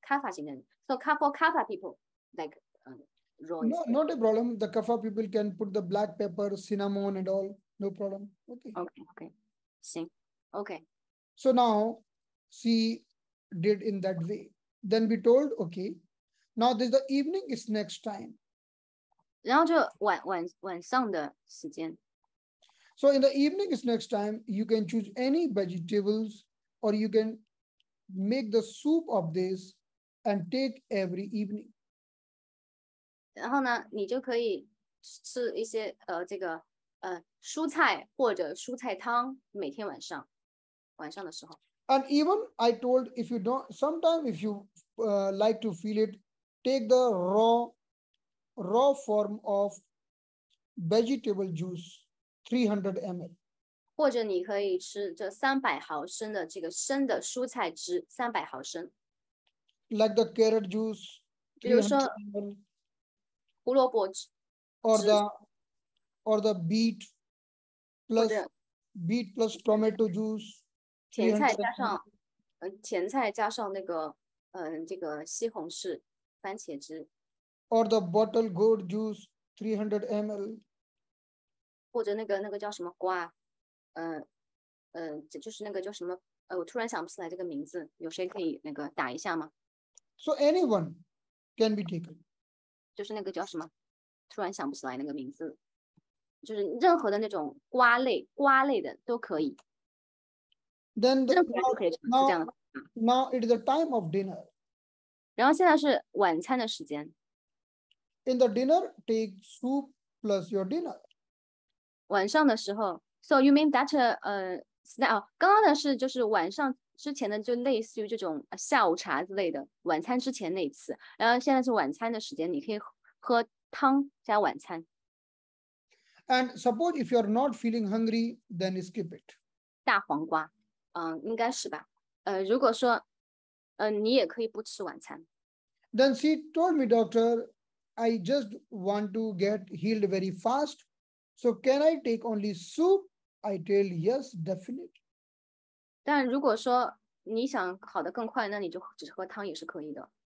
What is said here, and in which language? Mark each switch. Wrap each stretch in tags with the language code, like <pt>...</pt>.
<en>Kapha</en> <zh>型的人</zh> <en>，so for Kapha people, like. No, not a problem. The Kapha people can put the black pepper, cinnamon and all. No problem. Okay. Okay. Okay. Okay. So now she did in that way. Then we told, okay, now this is the evening, it's next time.</en> <zh>然后就晚上的时间。</zh> <en>So in the evening, it's next time. You can choose any vegetables or you can make the soup of this and take every evening.</en> <zh>然后呢，你就可以吃一些这个蔬菜或者蔬菜汤，每天晚上的时候。</zh> <en>And even I told if you don't, sometimes if you like to feel it, take the raw form of vegetable juice, 300 ml.</en> <zh>或者你可以吃这300毫升的这个生的蔬菜汁300毫升。</zh> <en>Like the carrot juice,</en> <zh>比如说胡萝卜汁。</zh> <en>Or the beet plus, beet plus tomato juice.</en> <zh>甜菜加上甜菜加上那个这个西红柿番茄汁。</zh> <en>Or the bottle gourd juice, 300 ml.</en> <zh>或者那个叫什么瓜，就是那个叫什么，我突然想不起来这个名字，有谁可以那个打一下吗</zh> <en>？So anyone can be taken.</en> <zh>就是那个叫什么，突然想不起来那个名字，就是任何的那种瓜类的都可以。</zh> <en>Then the,</en> <zh>任何人都可以吃，是这样</zh> <en>的。Now it is the time of dinner.</en> <zh>然后现在是晚餐的时间。</zh> <en>In the dinner, take soup plus your dinner.</en> <zh>晚上的时候</zh> <en>，so you mean that snack?</en> <zh>刚刚的是就是晚上之前的，就类似于这种下午茶之类的，晚餐之前那一次。然后现在是晚餐的时间，你可以喝汤加晚餐。</zh> <en>And suppose if you are not feeling hungry, then skip it.</en> <zh>大黄瓜，应该是吧。如果说，你也可以不吃晚餐。</zh> <en>Then she told me, doctor. I just want to get healed very fast. So can I take only soup? I tell yes, definitely.</en> <zh>但如果说你想好得更快，那你就只喝汤也是可以的。</zh>